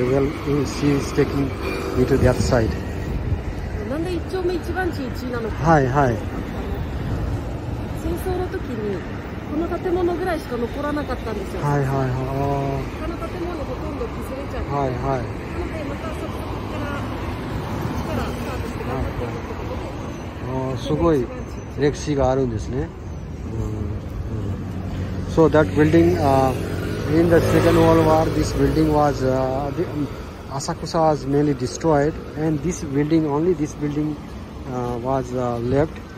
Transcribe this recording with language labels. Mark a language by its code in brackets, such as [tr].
[en] Well, she's taking me to the other side. [ja] なんで一丁目一番地一なのか。はいはい。戦争の時にこの建物ぐらいしか残らなかったんですよ。はいはいはい。他の建物ほとんど崩れちゃって。はいはい。すごい歴史があるんですね。 [en] So that building, in the Second World War, this building was, Asakusa was mainly destroyed, and this building, only this building, was left.